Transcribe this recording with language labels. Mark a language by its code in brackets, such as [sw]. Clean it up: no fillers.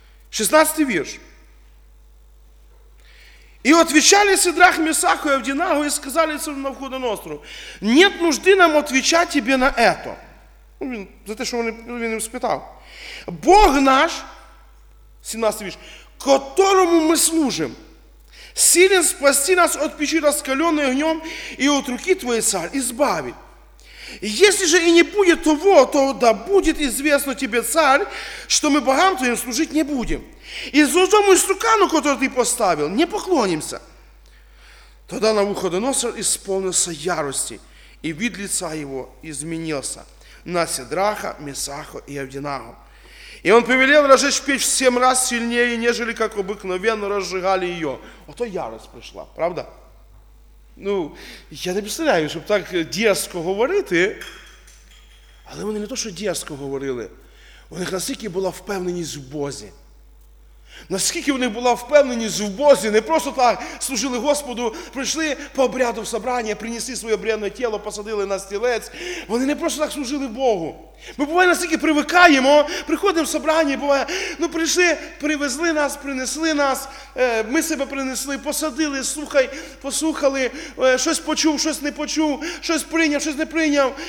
[uk] 16-й вірш. І отвічали Сидрах, Місаху і Авдінаго, і сказали цим Навуходоносору, [ru] нет нужди нам [uk] отвічати тебе на это. Ну, він, за те, що він їм спитав. [ru] Бог наш, [uk] 17-й вірш, [ru] которому ми служимо, силен спасти нас от печи раскаленной огнем и от руки твоей, царь, избави. Если же и не будет того, то да будет известно тебе, царь, что мы богам твоим служить не будем. И золотому истукану, который ты поставил, не поклонимся. Тогда Навуходоносор исполнился ярости, и вид лица его изменился на Сидраха, Месаха и Авдинаго. И он повелел разжечь печь в 7 раз сильнее, нежели как обыкновенно разжигали ее. Ото ярость пришла, правда? Ну, я не представляю, чтобы так дерзко говорити. [uk] Але вони не то, що дерзко говорили. У них настільки була впевненість в Бозі. Наскільки вони були впевнені в Бозі, не просто так служили Господу, прийшли по обряду в собрання, принесли своє обрядне тіло, посадили на стілець. Вони не просто так служили Богу. Ми буває настільки привикаємо, приходимо в собрання, буває, ну прийшли, привезли нас, принесли нас, ми себе принесли, посадили, слухай, послухали, щось почув, щось не почув, щось прийняв, щось не прийняв.